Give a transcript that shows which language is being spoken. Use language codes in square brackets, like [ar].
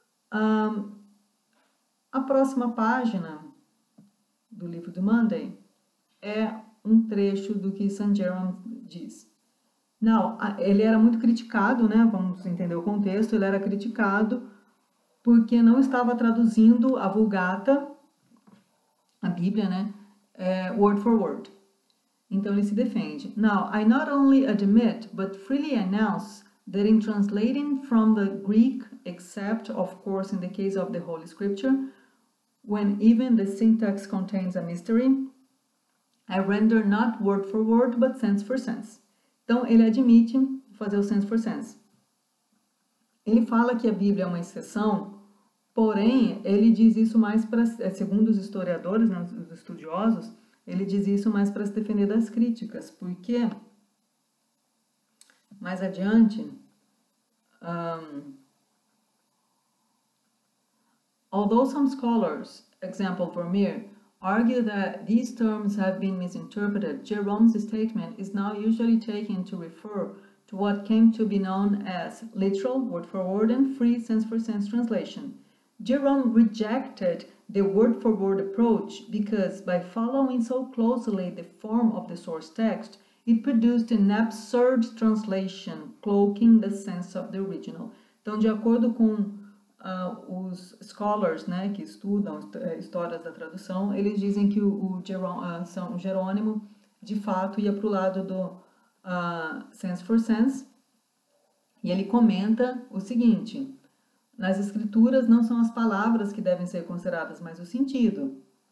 [pt] A próxima página do livro do Monday é um trecho do que St. Jerome diz. Não, ele era muito criticado, né? Vamos entender o contexto, ele era criticado porque não estava traduzindo a Vulgata, a Bíblia, né, [en] word for word. [pt] Então ele se defende. [en] Now, I not only admit, but freely announce that in translating from the Greek, except, of course, in the case of the Holy Scripture, when even the syntax contains a mystery, I render not word for word, but sense for sense. [pt] Então ele admite fazer o [en] sense for sense. [pt] Ele fala que a Bíblia é uma exceção. Porém, ele diz isso mais para, segundo os historiadores, né, os estudiosos, ele diz isso mais para se defender das críticas, porque mais adiante, [en] although some scholars, example Vermeer, argue that these terms have been misinterpreted, Jerome's statement is now usually taken to refer to what came to be known as literal, word for word, and free sense for sense translation. Jerome rejected the word-for-word approach because, by following so closely the form of the source text, it produced an absurd translation, cloaking the sense of the original. [pt] Então, de acordo com os scholars, né, que estudam histórias da tradução, eles dizem que São Jerônimo, de fato, ia para o lado do [en] sense for sense, [pt] e ele comenta o seguinte: nas escrituras não são as palavras que devem ser consideradas, mas o sentido.